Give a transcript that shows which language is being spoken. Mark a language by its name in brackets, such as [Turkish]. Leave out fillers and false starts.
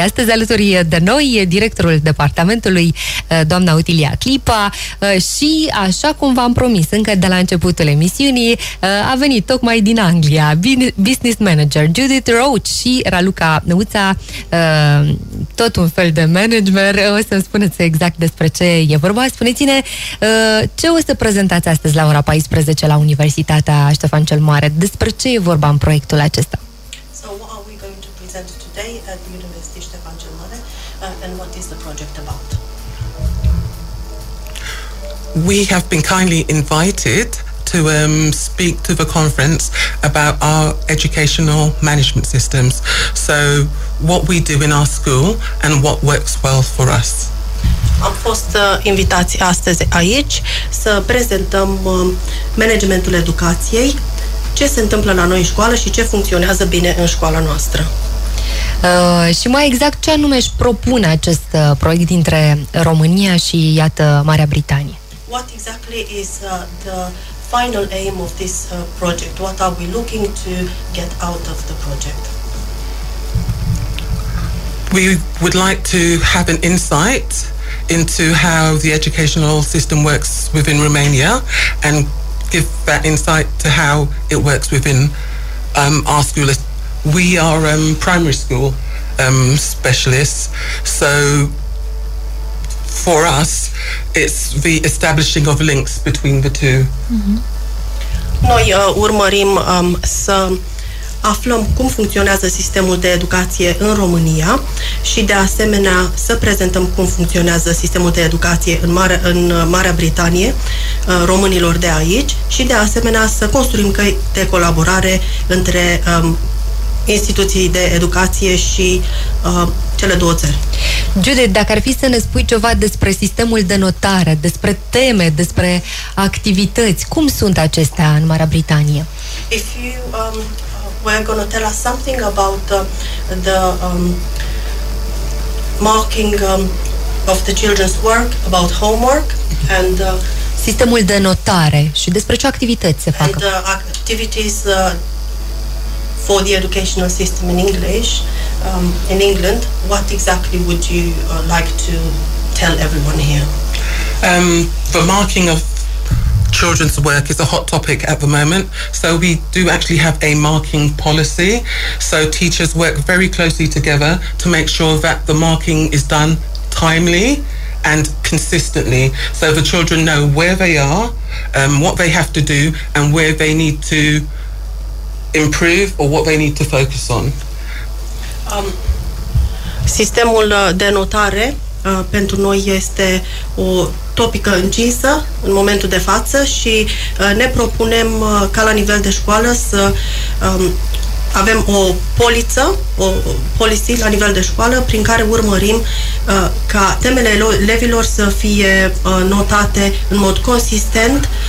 [Romanian] Astăzi alături de noi directorul departamentului, doamna Otilia Clipa, și așa cum v-am promis încă de la începutul emisiunii, a venit tocmai din Anglia business manager Judith Roach și Raluca Năuța, tot un fel de manager. O să-mi spuneți exact despre ce e vorba. Spuneți-ne, ce o să prezentați astăzi la ora 14 la Universitatea Ștefan cel Mare? Despre ce e vorba în proiectul acesta? [English] So what are we going to present today at the University Ștefan cel Mare, and what is the project about? We have been kindly invited to speak to the conference about our educational management systems. So what we do in our school and what works well for us. [Romanian] Am fost invitați astăzi aici să prezentăm managementul educației, ce se întâmplă la noi în școală și ce funcționează bine în școala noastră. Și mai exact, ce anume își propune acest proiect dintre România și, iată, Marea Britanie? [English] What exactly is the final aim of this project? What are we looking to get out of the project? We would like to have an insight into how the educational system works within Romania and give that insight to how it works within our school. We are primary school specialists, so for us it's the establishing of links between the two. Mm-hmm. [Romanian] Noi urmărim să aflăm cum funcționează sistemul de educație în România și de asemenea să prezentăm cum funcționează sistemul de educație în Marea Britanie, românilor de aici, și de asemenea să construim căi de colaborare între instituții de educație și cele două țări. Judith, dacă ar fi să ne spui ceva despre sistemul de notare, despre teme, despre activități, cum sunt acestea în Marea Britanie? [English] If you were going to tell us something about the marking of the children's work, about homework and [Romanian] sistemul de notare și despre ce activități se fac. [English] And activities for the educational system in English, in England, what exactly would you like to tell everyone here? The marking of children's work is a hot topic at the moment, so we do actually have a marking policy, so teachers work very closely together to make sure that the marking is done timely and consistently, so the children know where they are, what they have to do, and where they need to improve or what they need to focus on. [Romanian] Sistemul de notare pentru noi este o topică încinsă în momentul de față și ne propunem ca la nivel de școală să avem o poliță, o policy la nivel de școală prin care urmărim ca temele elevilor să fie notate în mod consistent,